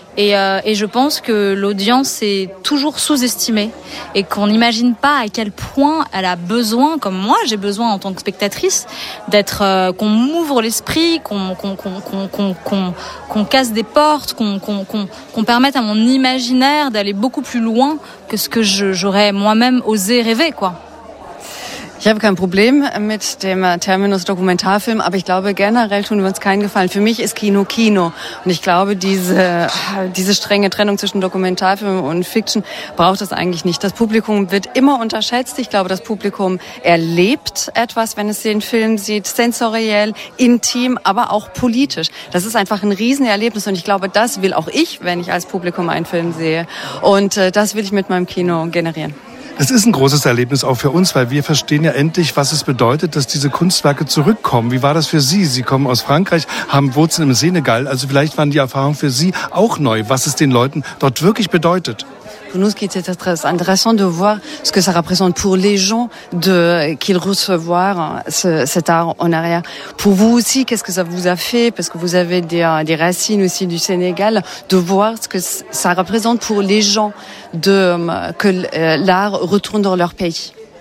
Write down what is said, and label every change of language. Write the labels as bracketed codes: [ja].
[fr] Et je pense que l'audience est toujours sous-estimée et qu'on n'imagine pas à quel point elle a besoin, comme moi j'ai besoin en tant que spectatrice, d'être qu'on m'ouvre l'esprit, qu'on casse des portes, qu'on permette à mon imaginaire d'aller beaucoup plus loin que ce que j'aurais moi-même osé rêver, quoi. [de] Ich habe kein Problem mit dem Terminus Dokumentarfilm, aber ich glaube, generell tun wir uns keinen Gefallen. Für mich ist Kino Kino. Und ich glaube, diese strenge Trennung zwischen Dokumentarfilm und Fiction braucht es eigentlich nicht. Das Publikum wird immer unterschätzt. Ich glaube, das Publikum erlebt etwas, wenn es den Film sieht, sensoriell, intim, aber auch politisch. Das ist einfach ein Riesenerlebnis. Und ich glaube, das will auch ich, wenn ich als Publikum einen Film sehe. Und das will ich mit meinem Kino generieren. Es ist ein großes Erlebnis auch für uns, weil wir verstehen ja endlich, was es bedeutet, dass diese Kunstwerke zurückkommen. Wie war das für Sie? Sie kommen aus Frankreich, haben Wurzeln im Senegal. Also vielleicht waren die Erfahrungen für Sie auch neu, was es den Leuten dort wirklich bedeutet. [fr] Pour nous, ce qui était très intéressant de voir ce que ça représente pour les gens de qu'ils recevoir cet art en arrière. Pour vous aussi, qu'est-ce que ça vous a fait? Parce que vous avez des racines aussi du Sénégal, de voir ce que ça représente pour les gens de que l'art retourne dans leur pays.